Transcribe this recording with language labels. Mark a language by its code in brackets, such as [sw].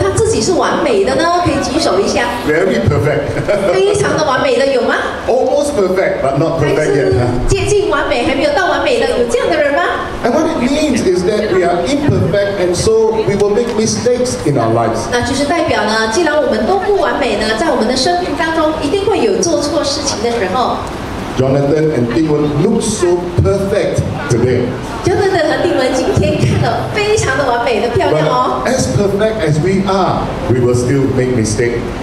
[zh] 我想问看我们当中有没有人觉得他自己是完美的呢？可以举手一下。 [en] Very perfect. [zh] 非常的完美的有吗？ [en] Almost perfect, but not perfect yet. [zh] 接近完美还没有到完美的，有这样的人吗？ [en] And what it means is that we are imperfect, and so we will make mistakes in our lives. [zh] 那就是代表呢，既然我们都不完美呢，在我们的生命当中一定会有做错事情的时候。 [en] Jonathan and Dylan looked so perfect today. [zh] Jonathan and Dylan 今天看得非常的完美的漂亮哦。 [en] As perfect as we are, we will still make mistakes.